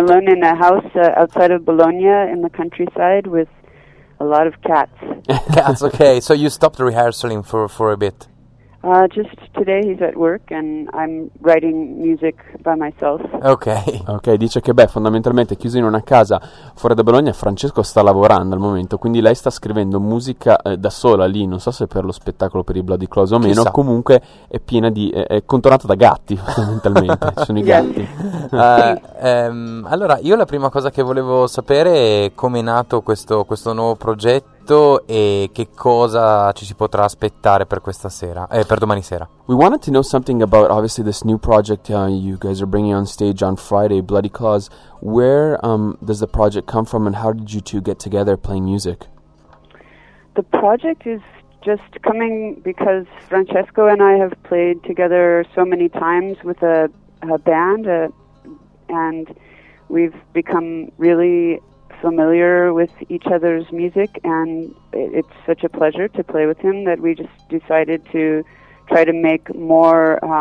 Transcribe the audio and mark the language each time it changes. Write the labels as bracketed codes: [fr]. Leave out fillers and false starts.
[en] alone in a house outside of Bologna in the countryside with a lot of cats. Cats, okay. So you stopped rehearsing for a bit. Just today he's at work and I'm writing music by myself. [it] Ok, dice che beh, fondamentalmente chiuso in una casa fuori da Bologna, Francesco sta lavorando al momento, quindi lei sta scrivendo musica da sola lì, non so se per lo spettacolo per i Bloody Close o meno, Chissà. comunque è piena di è contornata da gatti, fondamentalmente, ci sono i [en] Yes. [it] gatti. Allora, io la prima cosa che volevo sapere è come è nato questo nuovo progetto e che cosa ci si potrà aspettare per questa sera, per domani sera. [en] We wanted to know something about obviously this new project you guys are bringing on stage on Friday, Bloody Claws. Where does the project come from, and how did you two get together playing music? The project is just coming because Francesco and I have played together so many times with a band, and we've become really familiar with each other's music, and it's such a pleasure to play with him that we just decided to try to make more